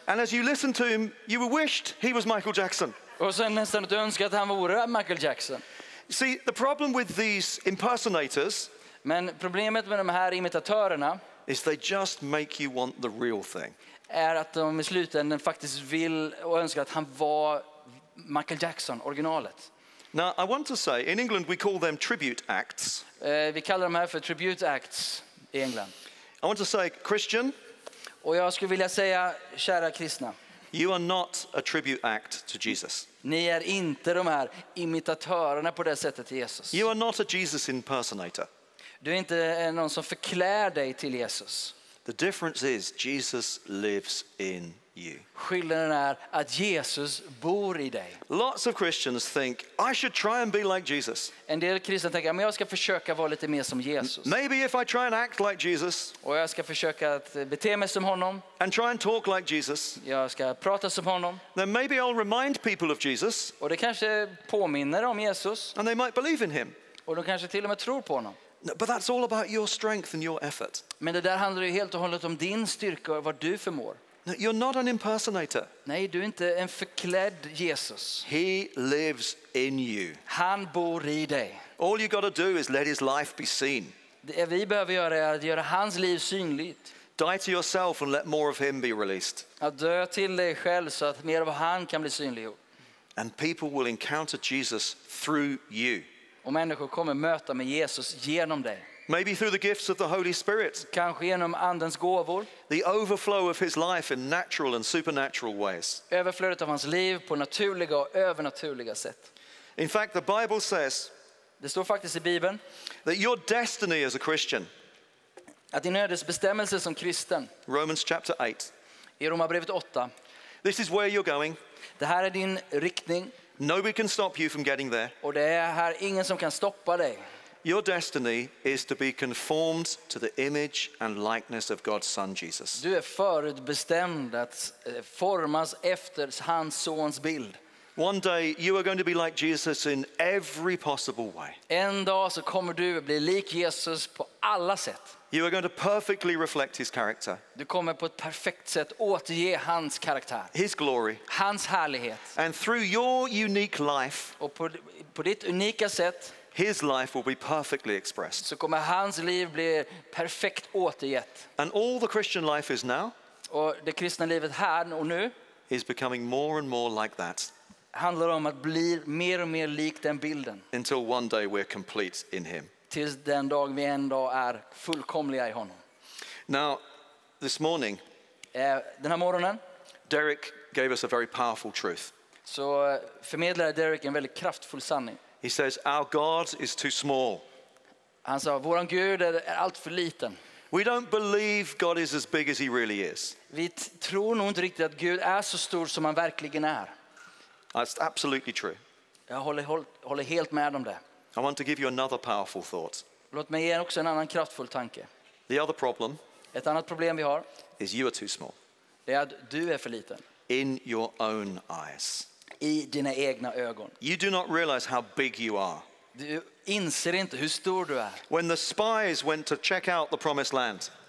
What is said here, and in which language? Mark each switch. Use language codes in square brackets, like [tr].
[en] And as you listened to him, you wished he was Michael Jackson. [sv] Och sen nästan att du önskar att han vore Michael Jackson. [en] See, the problem with these impersonators. [sv] Men problemet med de här imitatörerna. [en] Is they just make you want the real thing. [sv] Är att de i slutändan faktiskt vill och önskar att han var Michael Jackson originalet. [en] Now I want to say in England we call them tribute acts. [sv] Vi kallar dem här för tribute acts i England. [en] I want to say Christian. [sv] Och jag skulle vilja säga kära kristna. [en] You are not a tribute act to Jesus. [sv] Ni är inte de här imitatörerna på det sättet till Jesus. [en] You are not a Jesus impersonator. [sv] Du är inte någon som förklär dig till Jesus. [en] The difference is Jesus lives in you. [sv] Skillnaden är att Jesus bor I dig. [en] Lots of Christians think I should try and be like Jesus. [sv] En del kristna tänker men jag ska försöka vara lite mer som Jesus. [en] Maybe if I try and act like Jesus. [sv] Och jag ska försöka att bete mig som honom. [en] And try and talk like Jesus. [sv] Jag ska prata som honom. [en] Then maybe I'll remind people of Jesus. [sv] Och det kanske påminner om Jesus. [en] And they might believe in him. [sv] Och de kanske till och med tror på honom. [en] No, but that's all about your strength and your effort. [sv] Men det där handlar ju helt och hållet om din styrka och vad du förmår. [en] No, you're not an impersonator. [sv] Nej, du är inte en förklädd Jesus. [en] He lives in you. [sv] Han bor I dig. [en] All you got to do is let his life be seen. [sv] Det vi behöver göra är att göra hans liv synligt. [en] Die to yourself and let more of him be released. [sv] Att dö till dig själv så att mer av han kan bli synliggjort. [en] And people will encounter Jesus through you. [sv] Och människor kommer möta med Jesus genom dig. [en] Maybe through the gifts of the Holy Spirit. [sv] Kanske genom andens gåvor. [en] The overflow of his life in natural and supernatural ways. [sv] Överflödet av hans liv på naturliga och övernaturliga sätt. [en] In fact, the Bible says. [sv] Det står faktiskt I Bibeln. [en] That your destiny as a Christian. [sv] Att din ödesbestämmelse som kristen. [en] Romans chapter 8. [sv] I Romarbrevet 8. [en] This is where you're going. [sv] Det här är din riktning. [en] Nobody can stop you from getting there. [sv] Och det är här ingen som kan stoppa dig. [en] Your destiny is to be conformed to the image and likeness of God's son Jesus. [sv] Du är förutbestämd att formas efter hans sons bild. [en] One day you are going to be like Jesus in every possible way. [sv] En dag så kommer du bli lik Jesus på alla sätt. [en] You are going to perfectly reflect his character. [sv] Du kommer på ett perfekt sätt återge hans karaktär. [en] His glory. [sv] Hans härlighet. [en] And through your unique life. [sv] Och på ditt unika sätt. [en] His life will be perfectly expressed. [sv] Så kommer hans liv bli perfekt återgett. [en] And all the Christian life is now. [sv] Och det kristna livet här och nu. [en] Is becoming more and more like that. [sv] Handlar om att bli mer och mer lik den bilden. [en] Until one day we're complete in him. [sv] Tills den dag vi en dag är fullkomliga I honom. [en] Now, this morning, [sv] den här morgonen, [en] Derek gave us a very powerful truth. [sv] Så förmedlade Derek en väldigt kraftfull sanning. [en] He says, our God is too small. [sv] Han sa, våran Gud är allt för liten. [en] We don't believe God is as big as he really is. [sv] Vi tror nog inte riktigt att Gud är så stor som han verkligen är. [en] That's absolutely true. [sv] Jag håller helt med om det. [en] I want to give you another powerful thought. [sv] Låt mig ge också en annan kraftfull tanke. [en] The other problem. [sv] Ett annat problem vi har. [en] Is you are too small. [sv] Det är att du är för liten. [en] In your own eyes. [sv] I dina egna ögon. [en] You do not realize how big you are. [sv] Du inser inte hur stor du är. [en] When the spies went to check out the promised land.